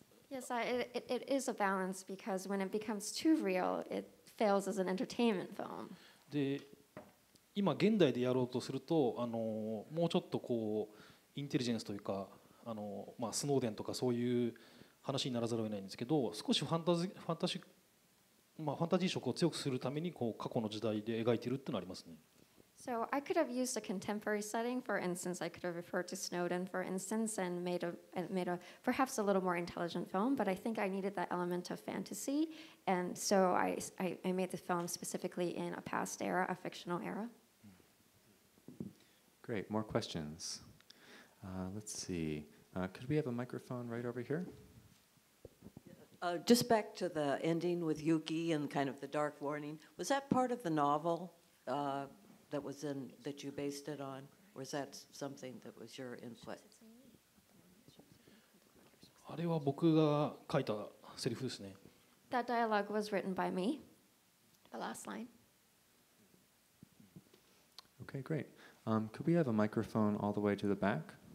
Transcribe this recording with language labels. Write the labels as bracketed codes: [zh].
[en] Yes, it is a balance because when it becomes too real, it fails as an entertainment film. [ja] で、今現代でやろうとすると、もうちょっとこうインテリジェンスというか、まあスノーデンとかそういう話にならざるを得ないんですけど、少しファンタジー色を強くするためにこう過去の時代で描いているってのありますね。 [en] So I could have used a contemporary setting, for instance. I could have referred to Snowden, for instance, and made a perhaps a little more intelligent film. But I think I needed that element of fantasy, and so I made the film specifically in a past era, a fictional era. Great. More questions. Let's see. Could we have a microphone right over here? Just back to the ending with Yuki and kind of the dark warning. Was that part of the novel? That was in that you based it on, or is that something that was your input? [ja] あれは僕が書いたセリフですね。 [en] That dialogue was written by me. The last line. Okay, great. Could we have a microphone all the way to the back?